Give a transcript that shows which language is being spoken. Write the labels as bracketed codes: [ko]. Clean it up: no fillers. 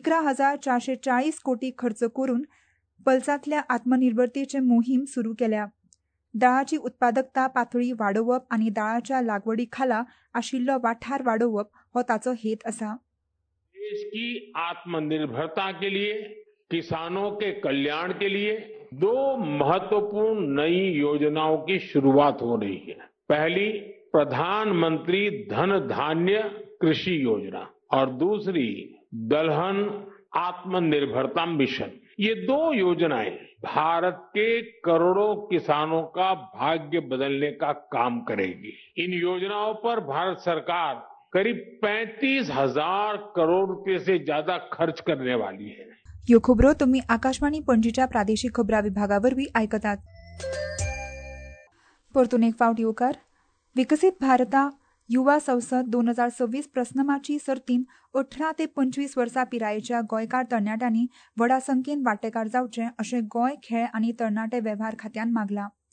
[gom] 11,440 कोटी खर्च करून पल्सातल्या आत्मनिर्भरतेचे मोहीम सुरू केल्या. दाळाची उत्पादकता पातळी वाडोवप आनी दाळाच्या लागवडी खाला आशिल्लो वाठार वाडोवप हो ताचो हेत आसा. [hi] देश की आत्मनिर्भरता के लिए, किसानों के कल्याण के लिए 2 महत्वपूर्ण नई योजनाओं की शुरुआत हो रही है. पहली प्रधानमंत्री धन धान्य कृषि योजना और दूसरी दलहन आत्मनिर्भरता मिशन. ये 2 योजनाएं भारत के करोड़ों किसानों का भाग्य बदलने का काम करेगी. इन योजनाओं पर भारत सरकार करीब 35,000 करोड़ रुपए से ज्यादा खर्च करने वाली है. [gom] ह्यो खबरो तुम्ही आकाशवाणी पणजीच्या प्रादेशिक खबरा विभागावरवी ऐकतात. परतून एक फावट येवकार. विकसित भारता युवा संसद 2026 प्रस्नमाची सर्तीन 18 ते 25 वर्सा पिरायेच्या गोंयकार तरणाट्यांनी व्हडा संख्येन वांटेकार जावचे अशें गोंय खेळ आनी तरणाटे वेव्हार खात्यान मागला.